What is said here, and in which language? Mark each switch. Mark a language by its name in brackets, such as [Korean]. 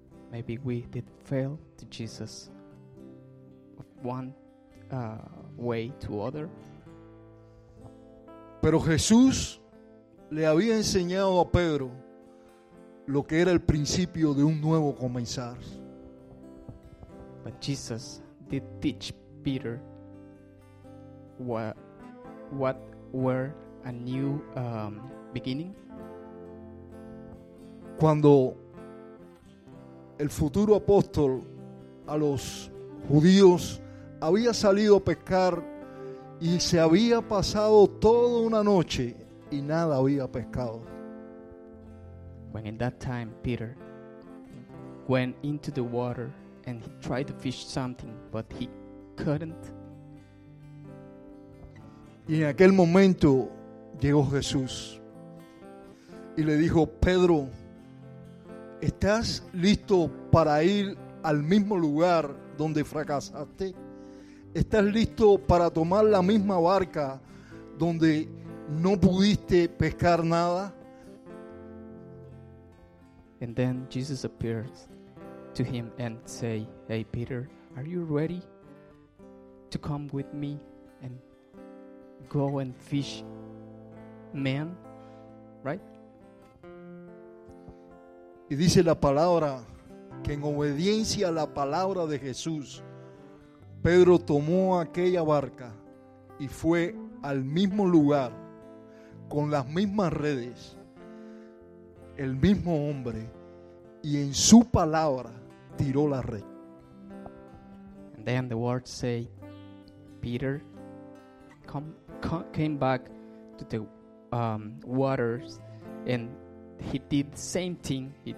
[English] Maybe we did fail to Jesus one way to other. [Spanish] Pero Jesús le había enseñado a Pedro lo que era el principio de un nuevo comenzar. [English] But Jesus did teach Peter what were a new beginning. [Spanish] Cuando el futuro apóstol a los judíos había salido a pescar y se había pasado toda una noche y nada había pescado. [English] When in that time Peter went into the water and he tried to fish something, but he couldn't. [Spanish] Y en aquel momento llegó Jesús y le dijo, Pedro, ¿estás listo para ir al mismo lugar donde fracasaste? ¿Estás listo para tomar la misma barca donde no pudiste pescar nada? [English] And then Jesus appears to him and say, "Hey Peter, are you ready to come with me and go and fish men?" Right? [Spanish] Y dice la palabra que en obediencia a la palabra de Jesús, Pedro tomó aquella barca y fue al mismo lugar con las mismas redes, el mismo hombre, y en su palabra tiró la red. [English] And then the word say, Peter came back to the waters and he did the same thing.